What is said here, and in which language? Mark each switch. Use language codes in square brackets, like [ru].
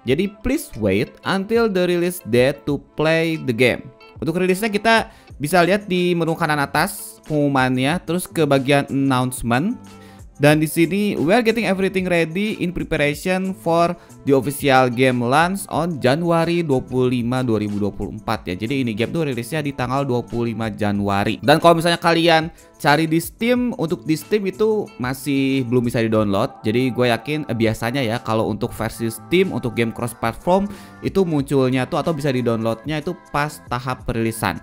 [en] Jadi please wait until the release date to play the game. [id] Untuk rilisnya kita bisa lihat di menu kanan atas pengumumannya, terus ke bagian announcement. Dan di sini [en] we are getting everything ready in preparation for the official game launch on January 25, 2024 ya. [id] Jadi ini game tuh rilisnya di tanggal 25 Januari. Dan kalau misalnya kalian cari di Steam, untuk di Steam itu masih belum bisa di-download. Jadi gue yakin biasanya ya kalau untuk versi Steam untuk game cross platform itu munculnya tuh atau bisa di-downloadnya itu pas tahap perilisan.